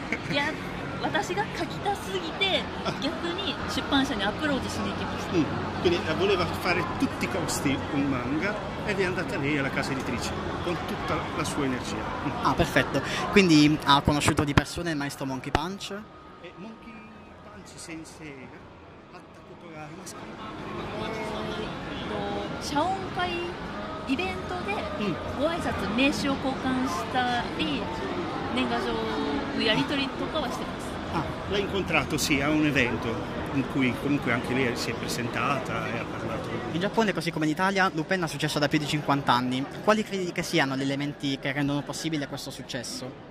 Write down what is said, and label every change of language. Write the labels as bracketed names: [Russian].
[Japanese] いや、私が書きたすぎて逆に出版社にアプローチしに行きました。 [Italian] Quindi voleva fare tutti i costi un manga ed è andata lei alla casa editrice con tutta la sua energia. Ah, perfetto. Quindi ha conosciuto di persona il maestro Monkey Punch? Monkey Punch sensei ha fatto una cosa. [Japanese] Shaonkai イベントでご挨拶、名刺を交換したり、年賀状のやり取りとかはしてます。 [Italian] L'ha incontrato, sì, a un evento in cui comunque anche lei si è presentata e ha parlato. In Giappone, così come in Italia, Lupin ha successo da più di 50 anni. Quali credi che siano gli elementi che rendono possibile questo successo?